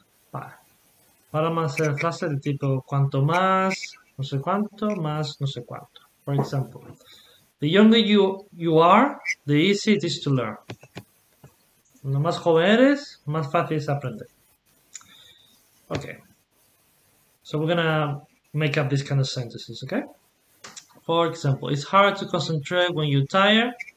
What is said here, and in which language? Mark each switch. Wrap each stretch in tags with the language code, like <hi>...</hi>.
<es>Para hacer frases de tipo cuanto más, no sé cuánto, más, no sé cuánto.</es> <en>For example, the younger you are, the easier it is to learn.</en> <es>Cuando más joven eres, más fácil es aprender.</es> <en>Okay. So we're gonna make up these kind of sentences, okay? For example, it's hard to concentrate when you're tired.</en>